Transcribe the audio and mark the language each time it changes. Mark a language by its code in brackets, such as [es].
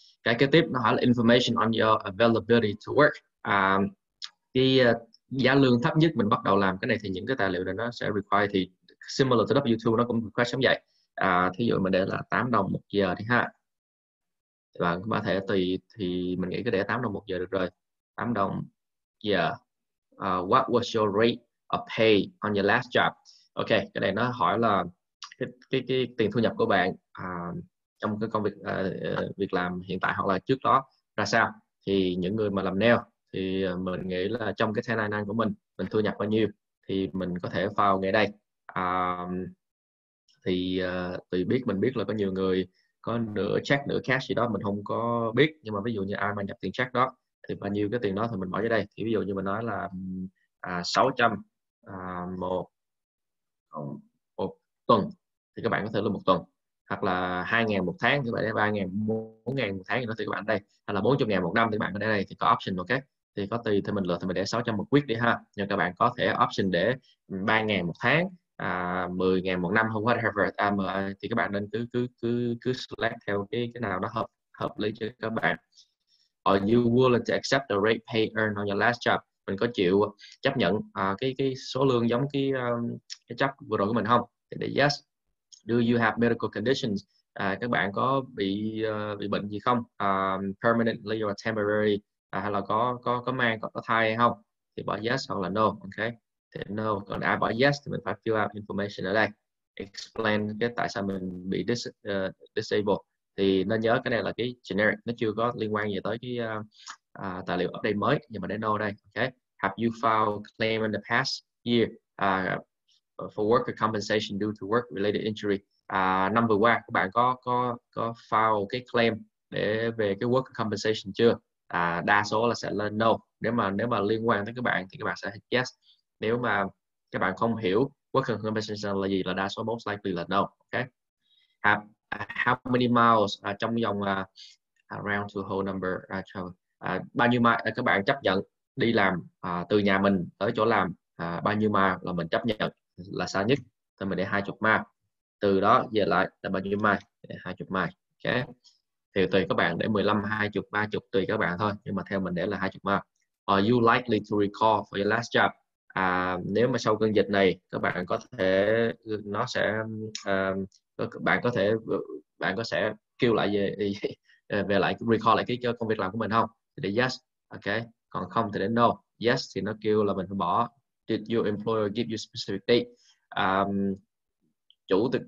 [vi] Cái kế tiếp nó hỏi là [en] information on your availability to work. [vi] Cái giá lương thấp nhất mình bắt đầu làm cái này thì những cái tài liệu này nó sẽ require, thì [en] similar to W2 [vi] nó cũng request giống vậy. Thí dụ mình để là 8 đồng một giờ đi ha. Và có thể tùy thì mình nghĩ cứ để 8 đồng một giờ được rồi. 8 đồng giờ. [en] What was your rate of pay on your last job? [vi] Ok, cái này nó hỏi là cái tiền thu nhập của bạn trong cái công việc việc làm hiện tại hoặc là trước đó ra sao. Thì những người mà làm nail thì mình nghĩ là trong cái tài năng của mình thu nhập bao nhiêu thì mình có thể vào ngay đây. Thì tùy biết, mình biết là có nhiều người có nửa check nửa cash gì đó mình không có biết, nhưng mà ví dụ như ai mà nhập tiền check đó thì bao nhiêu cái tiền đó thì mình bỏ vào đây. Thì ví dụ như mình nói là 600 một tuần thì các bạn có thể là một tuần, hoặc là 2.000 một tháng thì các bạn để 3.000, 4.000 một tháng thì nó thì các bạn ở đây, hay là 40.000 một năm thì các bạn ở đây, thì có option. Ok, thì có tùy thì mình lựa, thì mình để 600 một week đi ha, nhưng các bạn có thể option để 3.000 một tháng, 10.000 một năm, whatever. Thì các bạn nên cứ select theo cái nào đó hợp lý cho các bạn. [en] Are you willing to accept the rate pay earned on your last job? [vi] Mình có chịu chấp nhận cái số lương giống cái job vừa rồi của mình không? Thì để yes. [en] Do you have medical conditions? [vi] Các bạn có bị bệnh gì không? [en] Permanently or temporary? [vi] Hay là có mang, có thai hay không? Thì bỏ yes hoặc là no. Okay. Thì no. Còn ai bỏ yes thì mình phải fill out information ở đây. Explain cái tại sao mình bị disabled. Thì nên nhớ cái này là cái generic, nó chưa có liên quan gì tới cái tài liệu update mới, nhưng mà để know đây. Okay. [en] Have you filed claim in the past year for worker compensation due to work related injury? [vi] Năm vừa qua các bạn có file cái claim để về cái work compensation chưa? Đa số là sẽ lên no. Nếu mà liên quan tới các bạn thì các bạn sẽ yes. Nếu mà các bạn không hiểu work compensation là gì là đa số most likely là no. Okay. How many miles trong dòng round to whole number bao nhiêu mile các bạn chấp nhận đi làm từ nhà mình tới chỗ làm bao nhiêu mile là mình chấp nhận là xa nhất, thì mình để 20 mile, từ đó về lại là bao nhiêu mile, 20 mile. Okay. Thì tùy các bạn để 15, 20, 30 tùy các bạn thôi, nhưng mà theo mình để là 20 mile. [en] Are you likely to recall for your last job? [vi] Nếu mà sau cơn dịch này các bạn có thể nó sẽ bạn có thể kêu lại về lại recall lại cái công việc làm của mình không, thì để yes. Ok, còn không thì để no. Yes thì nó kêu là mình phải bỏ. [en] Did your employer give you specific date?